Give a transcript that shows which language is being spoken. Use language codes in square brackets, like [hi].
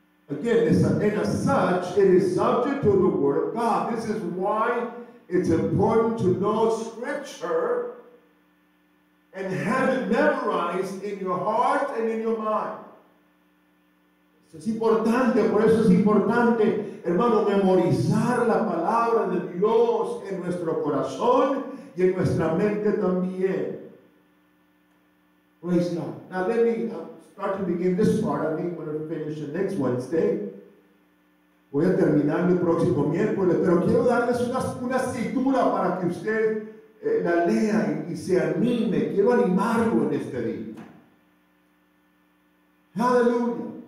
[en] Again, and as such, it is subject to the Word of God. This is why it's important to know Scripture and have it memorized in your heart and in your mind. [es] Es importante, por eso es importante, hermano, memorizar la palabra de Dios en nuestro corazón y en nuestra mente también. [en] Praise God. Now let me start to begin this part. I think we're going to finish it next Wednesday. [es] Voy a terminar mi próximo miércoles, pero quiero darles una escritura para que usted la lea y se anime. Quiero animarlo en este día. Aleluya.